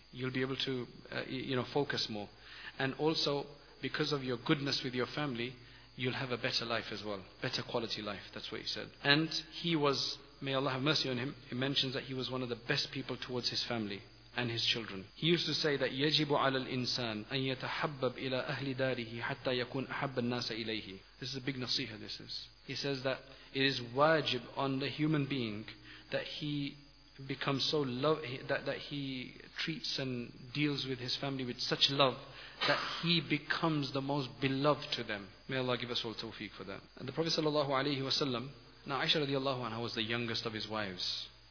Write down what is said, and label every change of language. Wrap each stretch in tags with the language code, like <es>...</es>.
<en>You'll be able to focus more. And also, because of your goodness with your family, you'll have a better life as well. Better quality life, that's what he said. And he was, may Allah have mercy on him, he mentions that he was one of the best people towards his family and his children.</en> <ar>He used to say that, يَجِبُ عَلَى الْإِنسَانِ أَن يَتَحَبَّبْ إِلَىٰ أَهْلِ دَارِهِ حَتَّى يَكُونَ أَحَبَّ النَّاسَ إِلَيْهِ.</ar> <en>This is a big nasiha, this is. He says that it is wajib on the human being that he becomes so love, that he treats and deals with his family with such love that he becomes the most beloved to them. May Allah give us all tawfiq for that. And the Prophet sallallahu alaihi wasallam, now Aisha radiallahu anha was the youngest of his wives.</en>